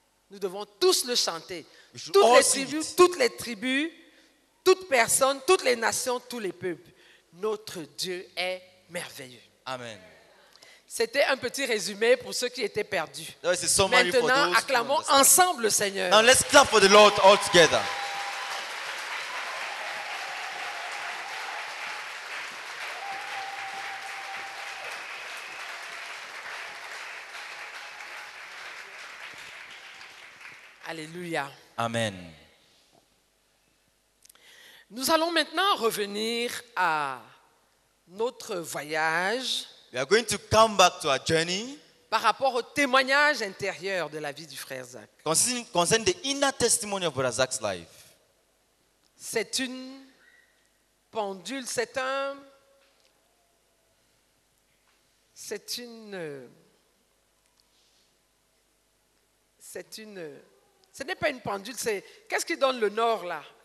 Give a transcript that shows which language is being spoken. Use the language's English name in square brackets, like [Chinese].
[French] Nous devons tous le chanter. Toutes les tribus, toutes personnes, toutes les nations, tous les peuples. Notre Dieu est merveilleux. Amen. C'était un petit résumé pour ceux qui étaient perdus. Maintenant, acclamons ensemble le Seigneur. [English] Now let's clap for the Lord all together. [French] Alléluia. Amen. Nous allons maintenant revenir à notre voyage. [English] We are going to come back to our journey. [French] Par rapport au témoignage intérieur de la vie du frère Zach. [English] Concerning the inner testimony of Brother Zach's life. [French] C'est une pendule, Ce n'est pas une pendule, c'est... Qu'est-ce qui donne le nord, là?